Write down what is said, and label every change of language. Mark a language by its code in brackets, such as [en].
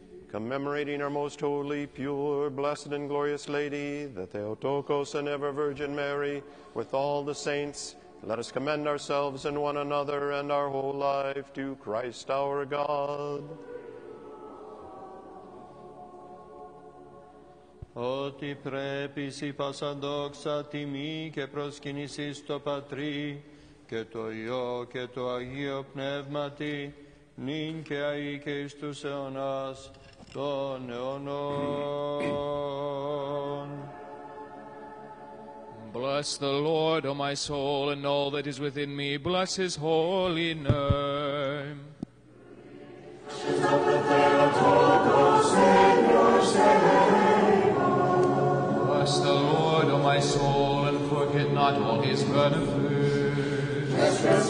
[en] Commemorating our most holy, pure, blessed, and glorious Lady, the Theotokos and ever-Virgin Mary, with all the saints, let us commend ourselves and one another and our whole life to Christ our God. [el] Ότι πρέπει σοι πάσαν δόξα τιμή και προσκύνηση στο Πατρί και το Υιό και το Αγίο Πνεύματι νυν και αεί και εις τους αιώνας των αιώνων. [en] Bless the Lord, O my soul, and all that is within me. Bless his holy name. Bless the Lord, O my soul, and forget not all his benefits.